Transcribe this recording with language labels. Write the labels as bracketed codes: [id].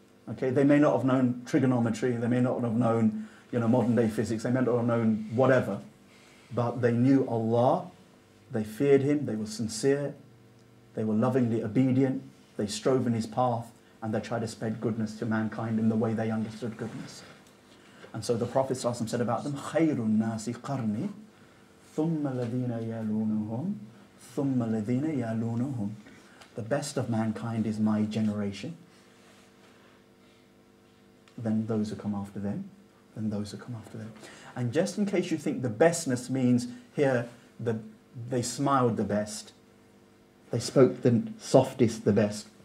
[en] Okay, they may not have known trigonometry, they may not have known, you know, modern-day physics, they may not have known whatever, but they knew Allah, they feared him, they were sincere, they were lovingly obedient, they strove in his path, and they tried to spread goodness to mankind in the way they understood goodness. [ar] And so the Prophet ﷺ said about them, خَيْرٌ نَاسِ قَرْنِي ثُمَّ الَّذِينَ يَلُونُهُمْ ثُمَّ الَّذِينَ يَلُونُهُمْ. [en] The best of mankind is my generation, then those who come after them, then those who come after them. And just in case you think the bestness means here, they smiled the best, they spoke the softest, the best.